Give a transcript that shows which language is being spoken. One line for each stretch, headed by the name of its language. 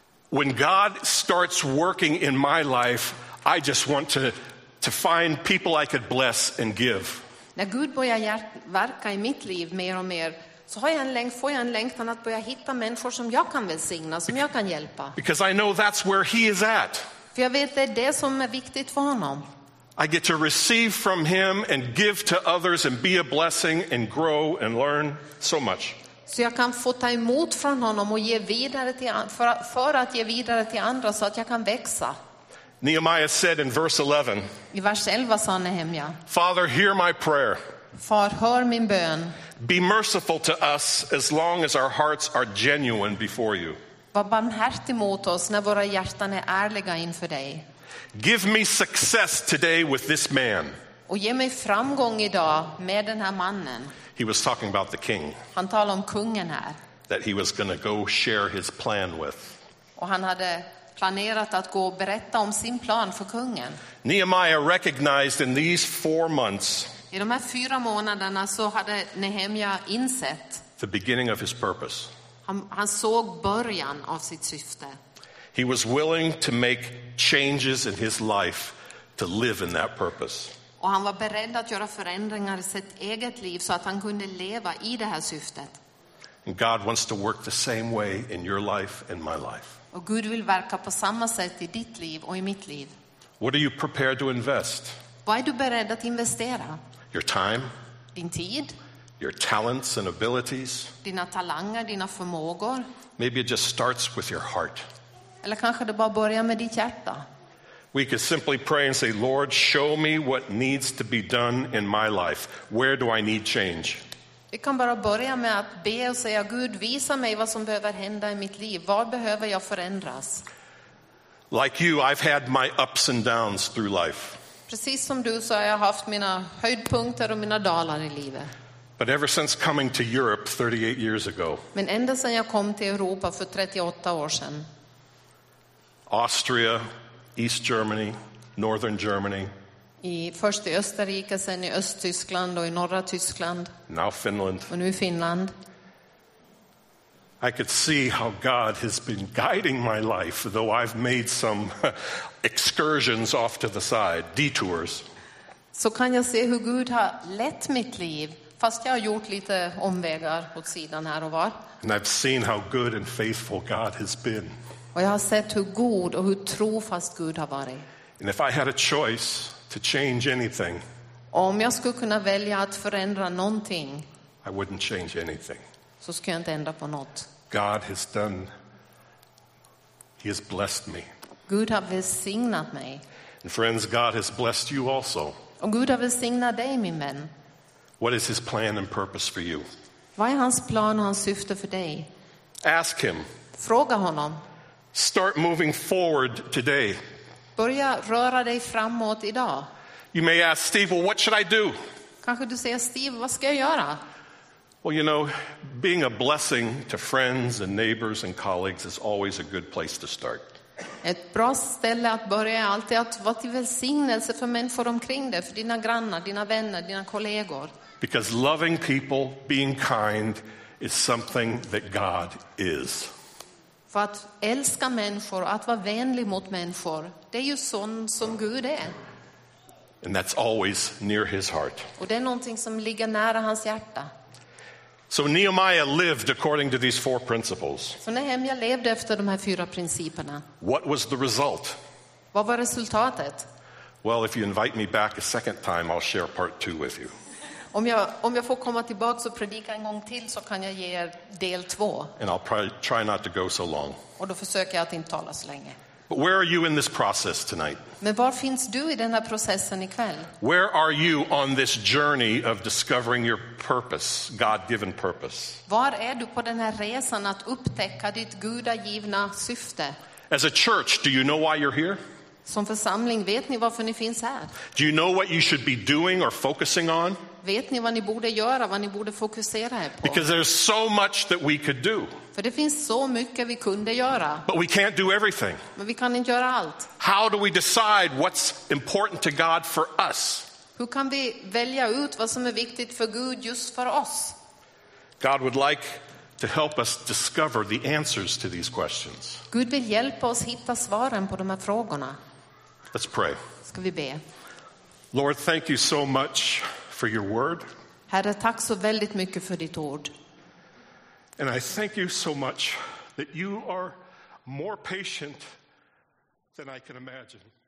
English: When God starts working in my life, I just want to find people I could bless and give.
Swedish: När Gud börjar verka i mitt liv mer och mer, så får jag en längtan att börja hitta människor som jag kan välsigna, som jag kan hjälpa.
English: Because I know that's where he is at.
Swedish: För jag vet att det är som är viktigt för honom.
English: I get to receive from him and give to others and be a blessing and grow and learn so much.
Swedish: Så jag kan få ta emot från honom och ge vidare till för att ge vidare till andra så att jag kan växa.
English: Nehemiah said in verse 11.
Swedish: I vers 11 sa Nehemiah.
English: Father, hear my prayer.
Swedish: Far, hör min bön.
English: Be merciful to us as long as our hearts are genuine before you.
Swedish: Var barmhärtig mot oss när våra hjärtan är ärliga inför dig.
English: Give me success today with this man.
Swedish: Och ge mig framgång idag med den här mannen.
English: He was talking about the king.
Swedish: Han talar om kungen här.
English: That he was going to go share his plan with.
Swedish: Och han hade planerat att gå och berätta om sin plan för kungen.
English: Nehemiah recognized in these 4 months.
Swedish: I de här 4 månaderna så hade Nehemiah insett
English: the beginning of his purpose.
Swedish: Han såg början av sitt syfte.
English: He was willing to make changes in his life to live in that purpose.
Swedish: Och han var beredd att göra förändringar i sitt eget liv så att han kunde leva i det här syftet.
English: And God wants to work the same way in your life and my life.
Swedish: Och Gud vill verka på samma sätt i ditt liv och i mitt liv.
English: What are you prepared to invest?
Swedish: Vad är du beredd att investera?
English: Your time?
Swedish: Din tid?
English: Your talents and abilities?
Swedish: Dina talanger, dina förmågor?
English: Maybe it just starts with your heart.
Swedish: Eller kanske det bara börjar med ditt hjärta.
English: We could simply pray and say, Lord, show me what needs to be done in my life. Where do I need change?
Swedish: Vi kan bara börja med att be och säga, Gud, visa mig vad som behöver hända i mitt liv. Vad behöver jag förändras?
English: Like you, I've had my ups and downs through life.
Swedish: Precis som du så har jag haft mina höjdpunkter och mina dalar i livet.
English: But ever since coming to Europe 38 years ago.
Swedish: Men ända sedan jag kom till Europa för 38 år sedan.
English: Austria, East Germany, Northern Germany.
Swedish: I först i Österrike, sen i Östtyskland och i norra Tyskland.
English: Now Finland.
Swedish: Och nu Finland.
English: I could see how God has been guiding my life, though I've made some excursions off to the side, detours.
Swedish: Så kan jag se hur Gud har lett mitt liv, fast jag har gjort lite omvägar åt sidan här och var.
English: And I've seen how good and faithful God has been.
Swedish: Och jag har sett hur god och hur trofast Gud har varit.
English: And if I had a choice to change anything,
Swedish: om jag skulle kunna välja att förändra någonting,
English: I wouldn't change anything.
Swedish: Så skulle jag inte ändra på något.
English: God has done. He has blessed me.
Swedish: Gud har välsignat mig.
English: And friends, God has blessed you also.
Swedish: Och Gud har välsignat dig, min vän.
English: What is his plan and purpose for you?
Swedish: Vad är hans plan och hans syfte för dig?
English: Ask him.
Swedish: Fråga honom.
English: Start moving forward today.
Swedish: Börja röra dig framåt idag.
English: You may ask Steve, well, what should I do?
Swedish: Kanske du säger Steve, vad ska jag göra?
English: Well, you know, being a blessing to friends and neighbors and colleagues is always a good place to start.
Swedish: Ett bra ställe att börja är alltid att vara till välsignelse för människor omkring dig, för dina grannar, dina vänner, dina kollegor.
English: Because loving people, being kind is something that God is.
Swedish: För att älska människor och att vara vänlig mot människor, det är ju sån som Gud är.
English: And that's always near his heart.
Swedish: Och det är någonting som ligger nära hans hjärta.
English: So Nehemiah lived according to these four principles.
Swedish: Så Nehemia levde efter de här fyra principerna.
English: What was the result?
Swedish: Vad var resultatet?
English: Well, if you invite me back a second time, I'll share part two with you.
Swedish: Om jag får komma tillbaka och predika en gång till, så kan jag ge er del två.
English: And I'll probably try not to go so long.
Swedish: Och då försöker jag att inte tala så länge.
English: But where are you in this process tonight?
Swedish: Men var finns du i den här processen ikväll?
English: Where are you on this journey of discovering your purpose, God-given purpose?
Swedish: Var är du på den här resan att upptäcka ditt gudagivna syfte?
English: As a church, do you know why you're here?
Swedish: Som församling, vet ni varför ni finns här?
English: Do you know what you should be doing or focusing on?
Swedish: Vet ni vad ni borde göra, vad ni borde fokusera er på?
English: Because there's so much that we could do.
Swedish: För det finns så mycket vi kunde göra.
English: But we can't do everything.
Swedish: Men vi kan inte göra allt.
English: How do we decide what's important to God for us?
Swedish: Hur kan vi välja ut vad som är viktigt för Gud just för oss?
English: God would like to help us discover the answers to these questions.
Swedish: Gud vill hjälpa oss hitta svaren på de här frågorna.
English: Let's pray.
Swedish: Ska vi be?
English: Lord, thank you so much for your word.
Swedish: Herre, tack så väldigt mycket för ditt ord.
English: And I thank you so much that you are more patient than I can imagine.